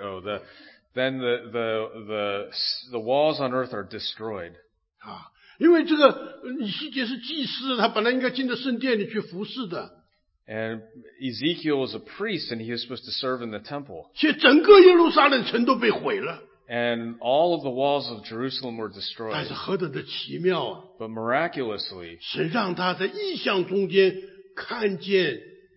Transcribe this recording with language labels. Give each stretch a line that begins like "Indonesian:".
English: Oh, then the walls on earth are destroyed.
Chinese: 啊, 因为这个以西结是祭司，他本来应该进到圣殿里去服侍的。
English: And Ezekiel is a priest, and he is supposed to serve in the temple.
Chinese: 却整个耶路撒冷城都被毁了。
English: And all of the walls of Jerusalem were destroyed.
Chinese: 但是何等的奇妙啊！
English: But miraculously,
Chinese: 神让他在异象中间看见。